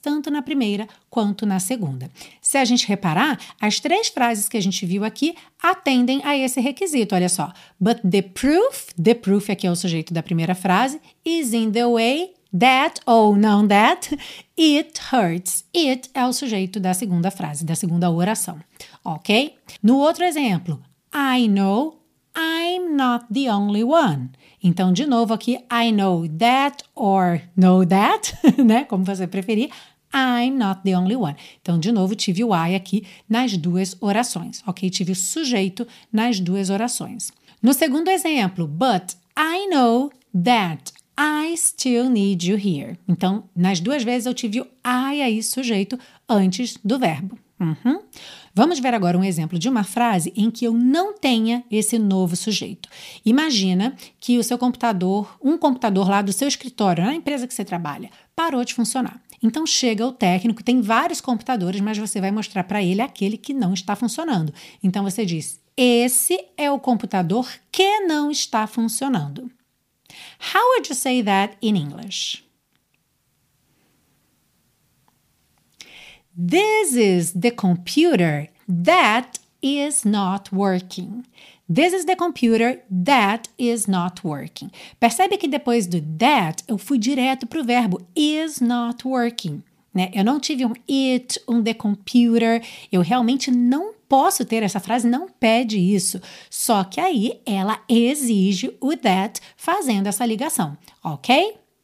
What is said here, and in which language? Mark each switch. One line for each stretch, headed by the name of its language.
Portuguese: Tanto na primeira quanto na segunda. Se a gente reparar, as três frases que a gente viu aqui atendem a esse requisito. Olha só.
English: But the proof
Portuguese: aqui é o sujeito da primeira frase,
English: is in the way. That
Portuguese: ou não
English: that, it hurts.
Portuguese: It é o sujeito da segunda frase, da segunda oração, ok? No outro exemplo,
English: I know I'm not the only one.
Portuguese: Então, de novo aqui,
English: I know that or know that,
Portuguese: né? Como você preferir,
English: I'm not the only one.
Portuguese: Então, de novo, tive o I aqui nas duas orações, ok? Tive o sujeito nas duas orações. No segundo exemplo,
English: but I know that I still need you here.
Portuguese: Então, nas duas vezes eu tive o I aí sujeito antes do verbo. Uhum. Vamos ver agora um exemplo de uma frase em que eu não tenha esse novo sujeito. Imagina que o seu computador, um computador lá do seu escritório, na empresa que você trabalha, parou de funcionar. Então, chega o técnico, tem vários computadores, mas você vai mostrar para ele aquele que não está funcionando. Então, você diz, esse é o computador que não está funcionando.
English: How would you say that in English? This is the computer that is not working. This is the computer that is not working.
Portuguese: Percebe que depois do that, eu fui direto para o verbo
English: is not working.
Portuguese: Né? Eu não tive um it, um the computer. Eu realmente não posso ter essa frase, não pede isso. Só que aí ela exige o that fazendo essa ligação, ok?